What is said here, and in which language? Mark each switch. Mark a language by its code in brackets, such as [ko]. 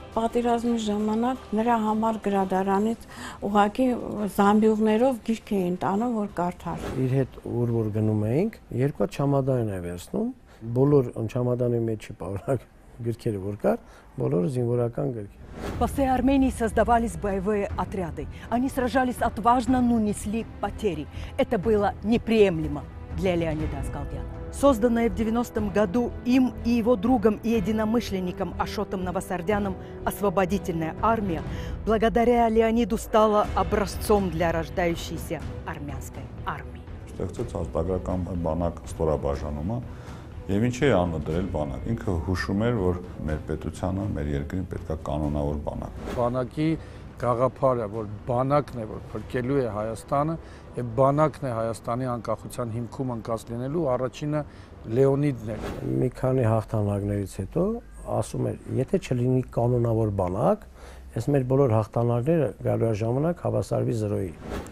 [hy] Պատերազմի ժամանակ նրա համար գրադարանից ուղակի զամբյուղներով գիրք էին տանում, որ կարդար։ Իր հետ ուր որ գնում էինք, երկու չամադան է վերցնում, բոլոր չամադանի մեջ չպարունակ գրքերը, որ կար, բոլորը զինվորական գրքեր։ [ru] После Армении создавались боевые отряды. Они сражались отважно, но несли потери. Это было неприемлемо для Леонида Ascaldiana. Созданная в 90-м году им и его другом и единомышленником Ашотом Новосардяном освободительная армия, благодаря Леониду стала образцом для рождающейся армянской армии. Что это за [hy] ազատական բանակ ստորաբաժանումը? Եվ ինչ էի անդրել բանակ, ինքը հուշում էր, որ մեր պետությանը, մեր երկրին պետք է կանոնավոր բանակ։ Բանակի գաղափարը, որ բանակն է, որ փրկելու է Հայաստանը, եւ բանակն է Հայաստանի անկախության հիմքում ընկած լինելու, առաջինը Լեոնիդն էր։ Մի քանի հաղթանակներից հետո ասում էր, եթե չլինի կանոնավոր բանակ, այս մեր բոլոր հաղթանակները գալու ժամանակ հավասարվի զրոյի։